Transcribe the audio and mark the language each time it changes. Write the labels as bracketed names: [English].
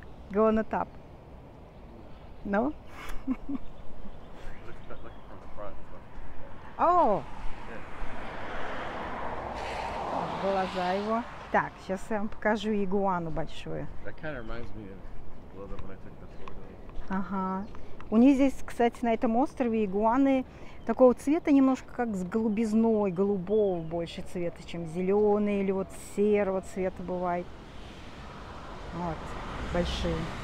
[English] Go on the top. No? [Russian] Oh! Глаза его. Так, сейчас я вам покажу игуану большую. [English] That kind of reminds me of a little bit when I took the tour. [Russian] Ага. У них здесь, кстати, на этом острове игуаны такого цвета немножко как с голубизной, голубого больше цвета, чем зеленый или вот серого цвета бывает. Вот, большие.